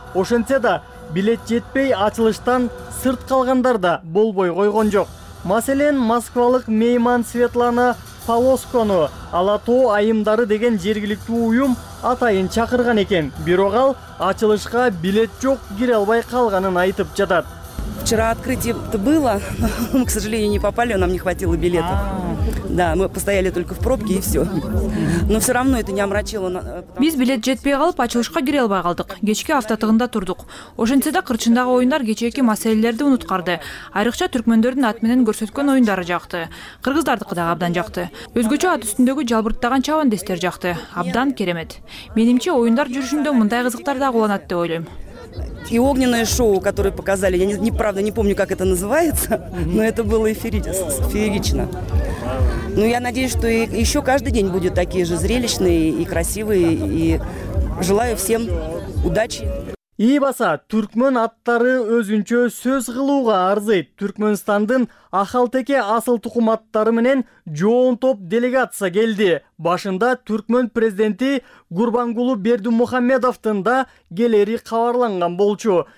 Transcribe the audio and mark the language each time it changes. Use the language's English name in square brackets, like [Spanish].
[Kyrgyz] Ошентсе да билет жетпей ачылыштан сырт калгандар да болбой койгон жок. Маселен, москвалык мейман Светлана Полоскону Алатоо айымдары деген жергиликтүү уюм атайын чакырган экен. Бирок ал ачылышка билет жок, кире албай калганын айтып жатат. [Russian] Вчера открытие было, но мы, к сожалению, не попали, нам не хватило билетов. Да, мы постояли только в пробке и все. Но все равно это не омрачило. [Kyrgyz] Биз билет жетпей калып, ачылышка кире албай калдык. Кечки автотыгында турдук. Ошентсе да кырчындагы оюндар кечээки маселелерди уткарды. Айрыкча түркмөндөрдүн ат менен көрсөткөн оюндары жакты. Кыргыздардыкы дагы абдан жакты. Өзгөчө ат үстүндөгү жалбырттаган чавандестер жакты. Абдан керемет. Менимче оюндар жүрүшүндө мындай кызыктар да кулланат деп ойлойм. [Russian] И огненное шоу, которое показали, я не правда не помню, как это называется, но это было феерично. Ну, я надеюсь, что еще каждый день будут такие же зрелищные и красивые. И желаю всем удачи. [Kyrgyz] Ийбаса, түркмөн аттары өзүнчө сөз кылууга арзыйт. Түркмөнстандын Ахалтеке асыл тукум аттары менен жоон топ делегация келди. Башында түркмөн президенти Гурбангулу Бердимухамедовдун да келери кабарланган болчу.